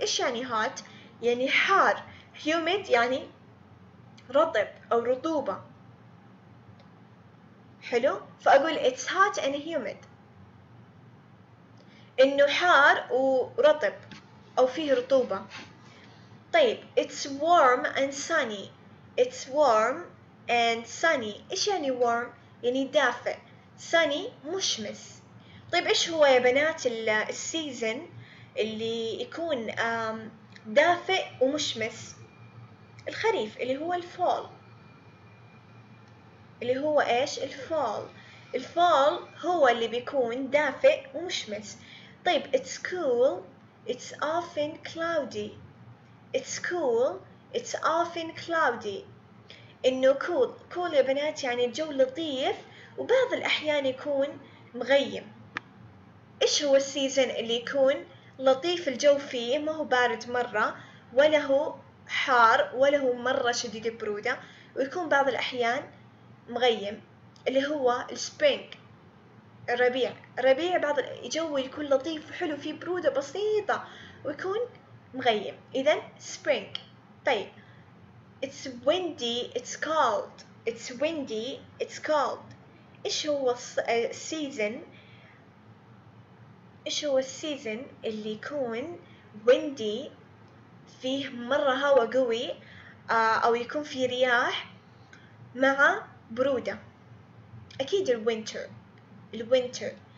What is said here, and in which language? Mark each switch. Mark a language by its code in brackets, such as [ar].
[ar] إيش يعني hot؟ يعني حار، humid يعني رطب أو رطوبة، حلو؟ فأقول [en] it's hot and humid [ar] إنه حار ورطب أو فيه رطوبة. [en] طيب it's warm and sunny، it's warm and sunny. [ar] إيش يعني warm؟ يعني دافئ، sunny مشمس. طيب إيش هو يا بنات السيزن اللي يكون دافئ ومشمس؟ الخريف اللي هو الفول، اللي هو إيش؟ الفول. الفول هو اللي بيكون دافئ ومشمس. [en] طيب it's cool، it's often cloudy. It's cool, it's often cloudy. [ar] إنه cool، cool يا بنات يعني الجو لطيف وبعض الأحيان يكون مغيم. إيش هو السيزن اللي يكون لطيف الجو فيه، ما هو بارد مرة ولا هو حار ولا هو مرة شديد برودة ويكون بعض الأحيان مغيم؟ اللي هو spring، الربيع. الربيع بعض الجو يكون لطيف وحلو فيه برودة بسيطة ويكون مغيم، إذا spring. [en] طيب it's windy it's cold، it's windy it's cold. [ar] إيش هو season، إيش هو season اللي يكون windy فيه مرة هوا قوي أو يكون فيه رياح مع برودة؟ أكيد الwinter، الwinter.